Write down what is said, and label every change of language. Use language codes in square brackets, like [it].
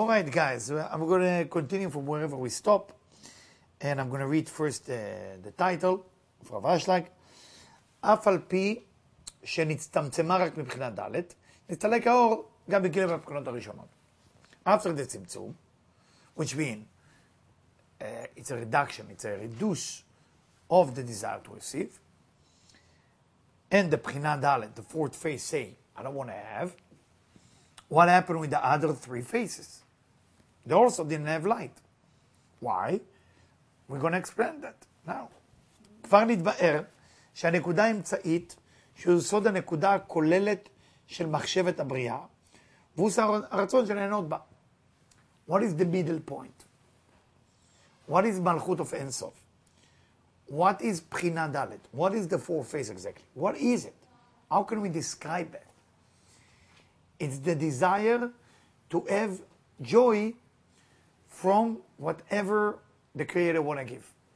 [en] guys, I'm going to continue from wherever we stop, and I'm going to read first the title of Rav Ashlag. [he] אף על פי שנצטמצמה רק מבחינת ד', נצטלק האור גם בגיל הבחינות הראשונות. [en] After the צמצום, which means it's a reduction, it's a reduce of the desire to receive, and the בחינה ד', the fourth phase, say, I don't want to have, what happened with the other three phases? They also didn't have light. Why? We're going to explain that now. [he] כבר נתבאר שהנקודה האמצעית, שהוא סוד הנקודה הכוללת של מחשבת הבריאה, והוא הרצון שנהנות בה. [en] What is the middle point? What is מלכות of אינסוף? What is בחינה ד'? What is the fourth phase exactly? What is it? How can we describe it? It's the desire to have joy from whatever the creator want to give.